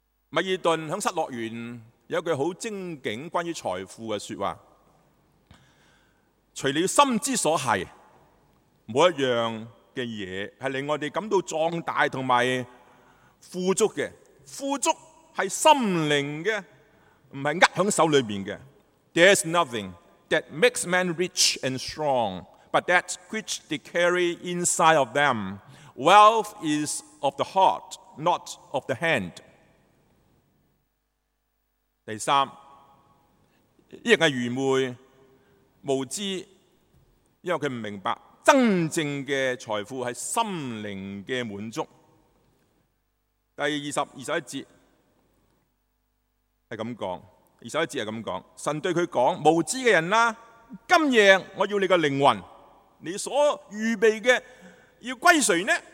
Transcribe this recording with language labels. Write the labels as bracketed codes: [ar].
[zh] 米尔顿在失落园有一句很精警关于财富的说话，除了心之所系，每一样的东西是令我们感到壮大和富足的。富足是心灵的，不是握在手里面的。 [en] There's nothing that makes men rich and strong but that which they carry inside of them. Wealth is of the heart, not of the hand. [zh] 第三，这个愚昧无知，因为他不明白真正的财富是心灵的满足。第二十、二十一节是这样讲，二十一节是这样讲，神对他说，无知的人，今夜我要你的灵魂，你所预备的要归谁呢？